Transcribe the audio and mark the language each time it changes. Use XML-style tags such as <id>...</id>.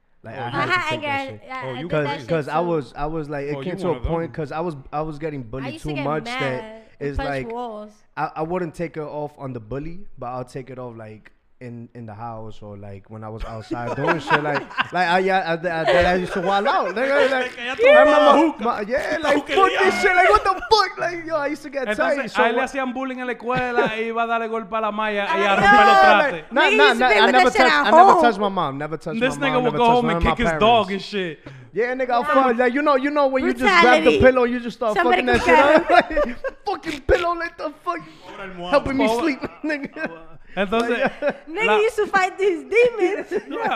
<en>Like, oh, I had to take that shit. Oh, you because I was like, it came to a point because I was getting bullied too much that it's like I wouldn't take it off on the bully, but I'll take it off like in the house or like when I was outside doing shit like I used to wild out like fuck this shit, like what the fuck, like yo, I used to get tight.</en> <es>Entonces,</es> <en>so</en> <es>a él le hacían bullying en la escuela y iba a darle golpe a la malla y a romper los trastes.</es> <en>I never touched my mom. This nigga would go home and kick his dog and shit. Yeah, nigga, I'll fuck. Like, you know when brutality. You just grab the pillow, you just start somebody fucking that shit up. Fucking pillow, like the fuck. Helping me sleep, nigga.</en> <es>Entonces,</es> <en>nigga used to fight these demons.</en>